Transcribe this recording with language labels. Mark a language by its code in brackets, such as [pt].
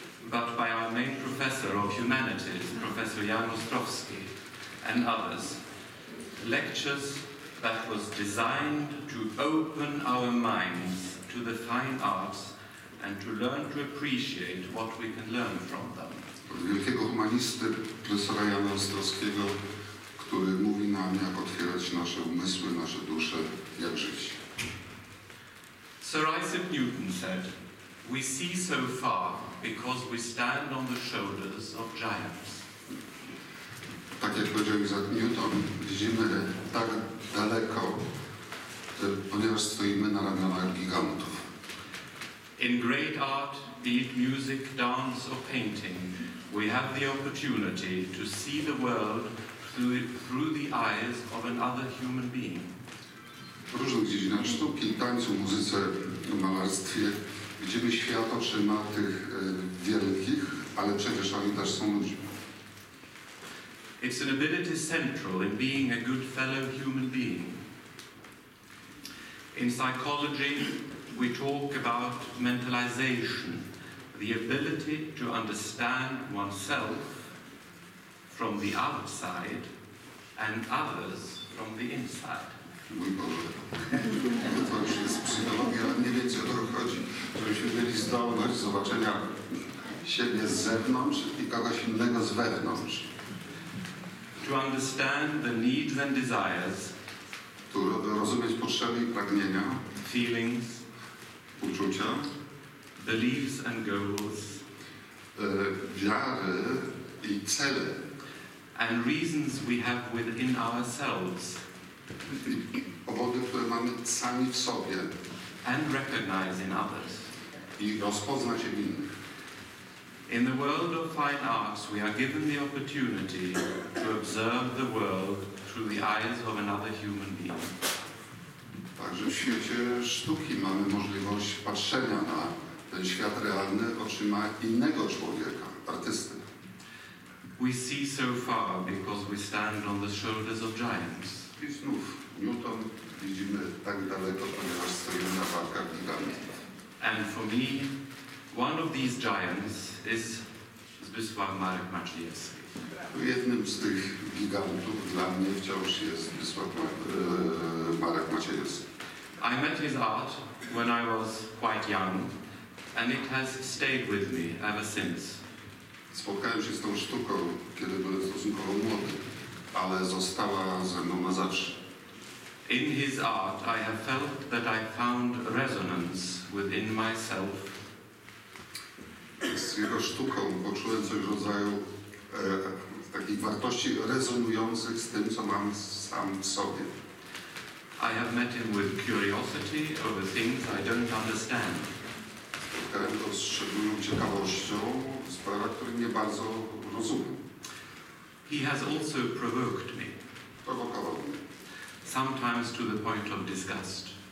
[en] But by our main professor of humanities, professor Jan Ostrowski and others, lectures that was designed to open our minds to the fine arts and to learn to appreciate what we can learn from them. [pl] Wielkiego humanisty, profesora Jana Ostrowskiego, który mówi nam, jak otwierać nasze umysły, nasze dusze, jak żyć. [en] Sir Isaac Newton said, we see so far because we stand on the shoulders of giants. [pl] Tak jak powiedział Isaac Newton, widzimy tak daleko, ponieważ stoimy na ramionach gigantów. [en] In great art, be it music, dance or painting, we have the opportunity to see the world through the eyes of another human being. [pl] W różnych dziedzinach sztuki, tańcu, muzyce, malarstwie widzimy świat oczyma tych wielkich, ale przecież oni też są ludźmi. [en] It's an ability central in being a good fellow human being. In psychology, we talk about mentalization, the ability to understand oneself from the outside and others from the inside. [pl] Mój Boże, to już jest psychologia, nie wiecie o co chodzi, żebyśmy mieli zdolność zobaczenia siebie z zewnątrz i kogoś innego z wewnątrz. [en] To understand the needs and desires, [pl] to rozumieć potrzeby i pragnienia, [en] feelings, [pl] uczucia, [en] beliefs and goals, [pl] wiary i cele, [en] and reasons we have within ourselves, [pl] powody, które mamy sami w sobie, [en] and recognize in others, [pl] i rozpoznać się w innych. [en] In the world of fine arts, we are given the opportunity to observe the world through the eyes of another human being. [pl] Także w świecie sztuki mamy możliwość patrzenia na ten świat realny oczyma innego człowieka, artysty. [en] We see so far because we stand on the shoulders of giants. [pl] I znów Newton widzimy tak daleko, ponieważ stoimy na barkach gigantów. [en] And for me, one of these giants is Zbyszław Marek Maciejewski. [pl] Jednym z tych gigantów dla mnie wciąż jest Zbyszław Marek Maciejewski. [en] I met his art when I was quite young, and it has stayed with me ever since. [pl] Spotkałem się z tą sztuką, kiedy byłem stosunkowo młody, ale została ze mną na zawsze. [en] In his art, I have felt that I found resonance within myself. [pl] Z jego sztuką poczułem coś w rodzaju takich wartości rezonujących z tym, co mam sam w sobie. [en] I have met him with curiosity over things I don't understand. [pl] Spotkałem go z szczególną ciekawością, sprawa, której nie bardzo rozumiem. [en] He has also provoked me. [pl] Prowokował mnie. [en] Sometimes to the point of disgust.